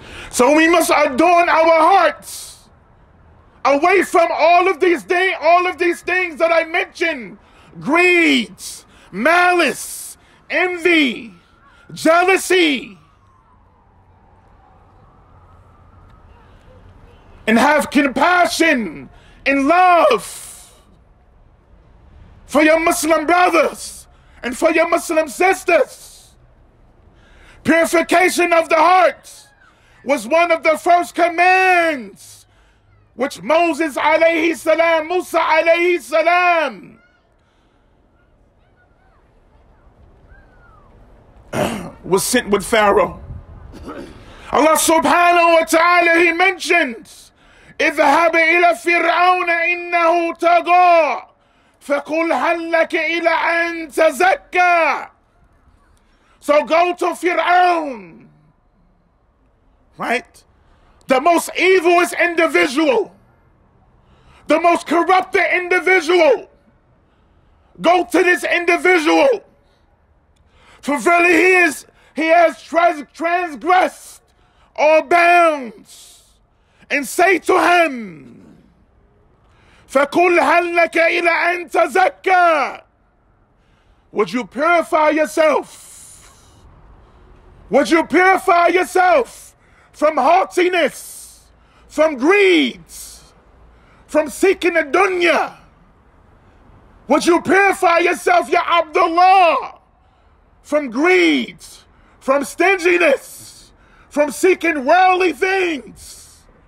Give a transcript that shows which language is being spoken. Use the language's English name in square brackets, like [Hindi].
[English] So we must adorn our hearts away from all of these things that I mentioned: greed, malice, envy, jealousy, and have compassion and love for your Muslim brothers and for your Muslim sisters. Purification of the heart was one of the first commands, which Moses alayhi salam, Musa alayhi salam, was sent with Pharaoh. [Arabic] Allah subhanahu wa ta'ala, [English] he mentions, [Arabic] اذهب إلى فرعون إنه تغى فقل هل لك إلى أن تزكى. [English] So go to Fir'aun, right? The most evilest individual, the most corrupted individual. Go to this individual, for verily he has transgressed all bounds. And say to him, [Arabic] فَقُلْ هَلْ لَكَ إِلَىٰ أَنْ تَزَكَّى. [English] Would you purify yourself? Would you purify yourself from haughtiness, from greed, from seeking the dunya? Would you purify yourself, Ya Abdullah, from greed, from stinginess, from seeking worldly things?